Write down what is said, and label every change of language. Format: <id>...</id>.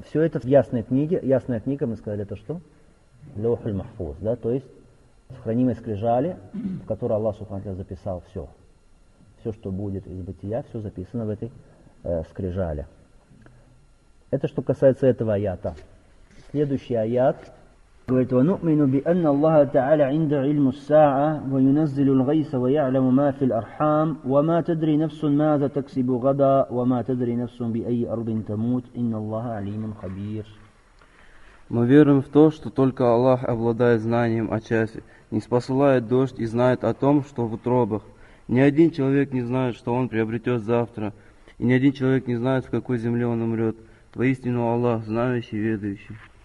<ru>Все это в ясной книге. Ясная книга, мы сказали, это что? «Лёхуль махфуз», да, то есть в хранимой скрижали, в которой Аллах субхану тааля записал все. Все, что будет из бытия, все записано в этой скрижали. Это что касается этого аята. Следующий аят говорит:</ru> <ar>وَنُؤْمِنُ بِأَنَّ اللَّهَ تَعَالَى عِنْدَ عِلْمُ السَّاعَةِ وَيُنَزِّلُ الْغَيْثَ وَيَعْلَمُ مَا فِي الْأَرْحَامِ وَمَا تَدْرِي نَفْسٌ مَاذَا تَكْسِبُ غَدًا وَمَا تَدْرِي نَفْسٌ بِأَيِّ أَرْضٍ تَمُوتُ إِنَّ اللَّهَ عَلِيمٌ خَبِيرٌ.</ar> <ru>Мы верим в то, что только Аллах обладает знанием о часе, не спосылает дождь и знает о том, что в утробах. Ни один человек не знает, что он приобретет завтра, и ни один человек не знает, в какой земле он умрет. Воистину Аллах, знающий и ведающий.</ru>